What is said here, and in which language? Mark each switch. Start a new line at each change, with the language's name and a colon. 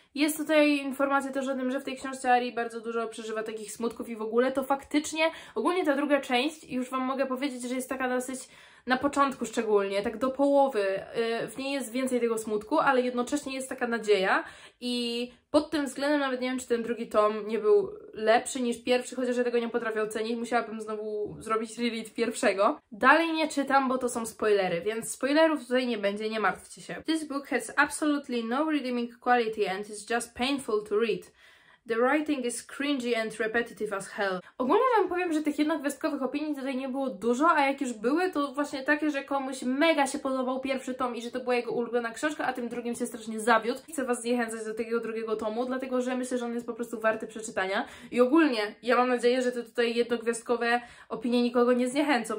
Polish: Jest tutaj informacja też o tym, że w tej książce Ari bardzo dużo przeżywa takich smutków i w ogóle to faktycznie, ogólnie ta druga część, już Wam mogę powiedzieć, że jest taka dosyć na początku szczególnie, tak do połowy, w niej jest więcej tego smutku, ale jednocześnie jest taka nadzieja i pod tym względem nawet nie wiem, czy ten drugi tom nie był lepszy niż pierwszy, chociaż ja tego nie potrafię ocenić, musiałabym znowu zrobić reread pierwszego. Dalej nie czytam, bo to są spoilery, więc spoilerów tutaj nie będzie, nie martwcie się.
English: This book has absolutely no redeeming quality and is just painful to read. The writing is cringy and repetitive as hell.
Polish: Ogólnie Wam powiem, że tych jednogwiazdkowych opinii tutaj nie było dużo, a jak już były, to właśnie takie, że komuś mega się podobał pierwszy tom i że to była jego ulubiona książka, a tym drugim się strasznie zawiódł. Chcę Was zniechęcać do tego drugiego tomu, dlatego że myślę, że on jest po prostu warty przeczytania. I ogólnie, ja mam nadzieję, że te tutaj jednogwiazdkowe opinie nikogo nie zniechęcą.